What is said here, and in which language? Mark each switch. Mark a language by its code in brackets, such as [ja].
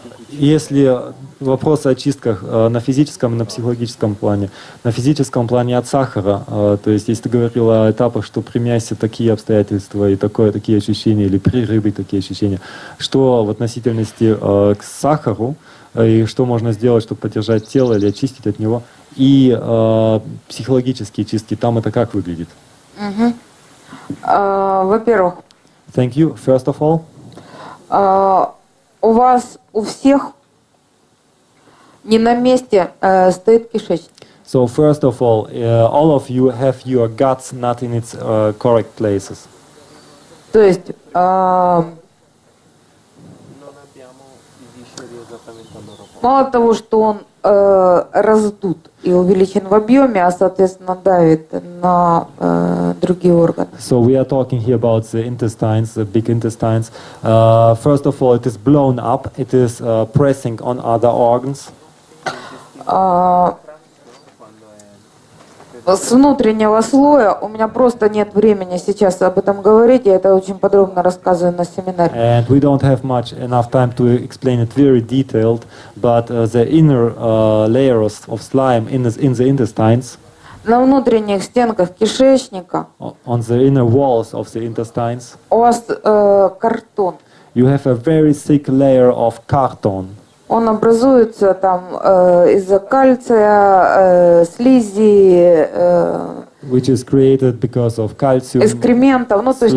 [ru] Если вопрос о чистках на физическом и на психологическом плане, на физическом плане от сахара, то есть если ты говорил о этапах, что применяются такие обстоятельства и такие ощущения, или при рыбе такие ощущения, что в относительности к сахару, и что можно сделать, чтобы поддержать тело или очистить от него, и психологические чистки, там это как выглядит? Во-первых. [en] Thank you, first of all. [ru] У вас у всех не на месте стоит кишечник. [en] So first of all of you have your guts not in its correct places. [ru] То есть мало того, что он раздут и увеличен в объеме, а соответственно давит на другие органы. [en] So we are talking here about the intestines, the big intestines. First of all, it is blown up, it is pressing on other organs. [ru] С внутреннего слоя у меня просто нет времени сейчас об этом говорить, я это очень подробно рассказываю на семинаре. [en] And we don't have much enough time to explain it very detailed, but the inner layers of slime in the intestines. [ru] На внутренних стенках кишечника. [en] On the inner walls of the intestines. [ru] У вас картон. [en] You have a very thick layer of carton. [ru] Он образуется там из-за кальция, слизи, [en] which is created because of calcium, [ru] экскрементов, ну, то есть